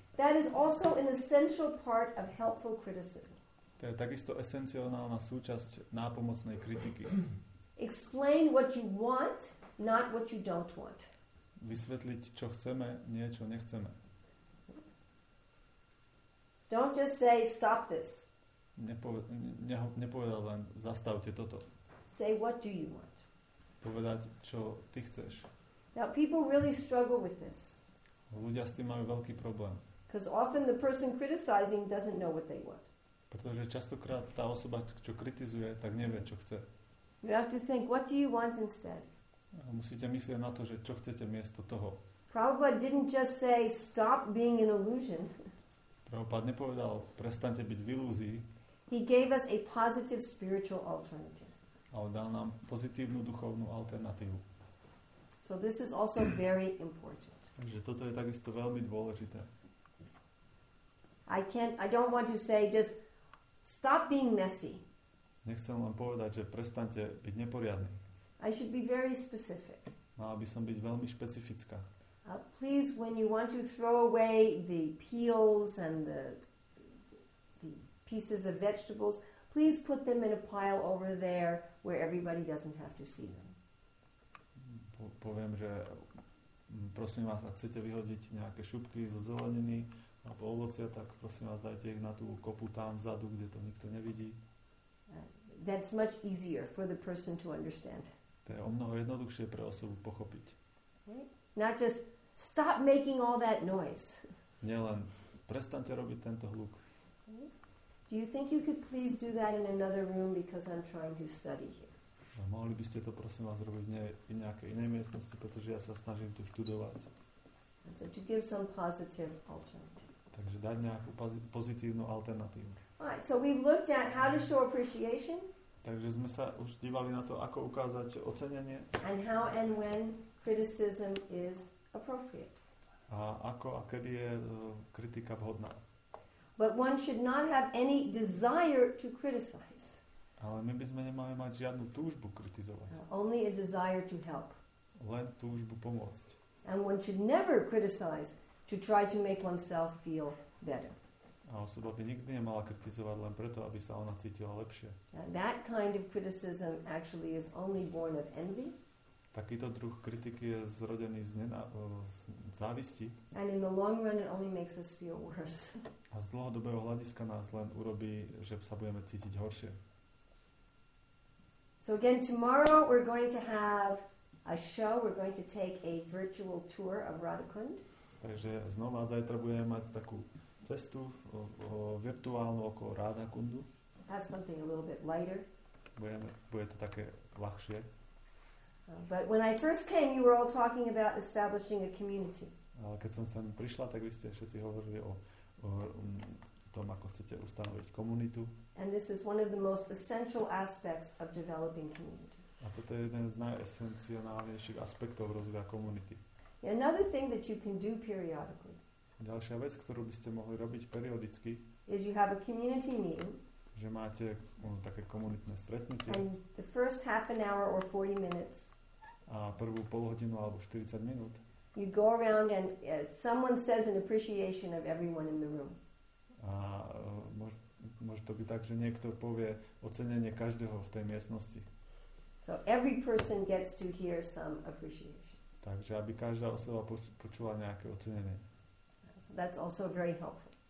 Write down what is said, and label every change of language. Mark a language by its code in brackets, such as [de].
[en] That is also an essential part of helpful criticism. [sk] To je takisto esenciálna súčasť nápomocnej kritiky. [en] Explain what you want, not what you don't want. [sk] Vysvetliť, čo chceme, nie čo nechceme. [en] Don't just say stop this. [sk] Nepovedať len zastavte toto. [en] Say what do you want. [sk] Povedať, čo ty chceš. [en] Now people really struggle with this. [sk] Ľudia s tým majú veľký problém. [en] Because often the person criticizing doesn't know what they want. [sk] Pretože častokrát tá osoba, čo kritizuje, tak nevie, čo chce. [en] You have to think, what do you want instead? [sk] Musíte myslieť na to, že čo chcete miesto toho. [en] Prabhupada didn't just say, stop being an illusion. [sk] Prabhupada nepovedal, prestante byť v ilúzii. [en] He gave us a positive spiritual alternative. [sk] Ale dal nám pozitívnu duchovnú alternatívu. [en] So this is also very important. [sk] Takže toto je takisto veľmi dôležité. [en] I don't want to say just stop being messy. [sk] Nechcem len povedať, že prestante byť neporiadny. [en] I should be very specific. [sk] Mala by som byť veľmi špecifická. [en] Please, when you want to throw away the peels and the pieces of vegetables, please put them in a pile over there where everybody doesn't have to see them. [sk] Poviem, že prosím vás, ak chcete vyhodiť nejaké šupky zo zeleniny alebo ovocia, tak prosím vás, dajte ich na tú kopu tam vzadu, kde to nikto nevidí. [en] That's much easier for the person to understand. [sk] To je o mnoho jednoduchšie pre osobu pochopiť. [en] Okay. Not just stop making all that noise. [sk] Nielen prestante robiť tento hluk. [en] Okay. Do you think you could please do that in another room because I'm trying to study here? [sk] A mohli by ste to, prosím vás, robiť v nejakej inej miestnosti, pretože ja sa snažím tu študovať. [en] So to give some positive alternative. [sk] Takže dať nejakú pozitívnu alternatívu. [en] Alright, so we've looked at how to show appreciation. [sk] Takže sme sa už dívali na to, ako ukázať ocenenie. [en] And how and when criticism is appropriate. [sk] A ako a kedy je kritika vhodná. [en] But one should not have any desire to criticize. [sk] Ale my by sme nemali mať žiadnu túžbu kritizovať. [en] Only a desire to help. [sk] Len túžbu pomôcť. [en] And one should never criticize to try to make oneself feel better. [sk] A osoba by nikdy nemala kritizovať len preto, aby sa ona cítila lepšie. [en] And that kind of criticism actually is only born of envy. [sk] Takýto druh kritiky je zrodený z závisti. [en] And in the long run it only makes us feel worse. [sk] A z dlhodobého hľadiska nás len urobí, že sa budeme cítiť horšie. [en] So again, tomorrow we're going to have a show. We're going to take a virtual tour of Radhakund. [sk] Takže znova zajtra budeme mať takú cestu virtuálnu okolo Radhakundu. [en] Have something a little bit lighter. [sk] Bude to také ľahšie. [en] But when I first came, you were all talking about establishing a community. [sk] Ale keď som sem prišla, tak vy ste všetci hovorili o tom, ako chcete ustanoviť komunitu. [en] And this is one of the most essential aspects of developing community. [sk] A toto je jeden z najesenciálnejších aspektov rozvoja komunity. [en] Another thing that you can do periodically. [sk] Ďalšia vec, ktorú by ste mohli robiť periodicky, [en] is you have a community meeting. [sk] Že máte také komunitné stretnutie. [en] And the first half an hour or 40 minutes. [sk] A prvú polhodinu alebo 40 minút. [en] You go around and someone says an appreciation of everyone in the room. [sk] A môže to byť tak, že niekto povie ocenenie každého v tej miestnosti. [en] So every person gets to hear some appreciation. [sk] Takže aby každá osoba počula nejaké ocenenie. [en] So that's also very helpful.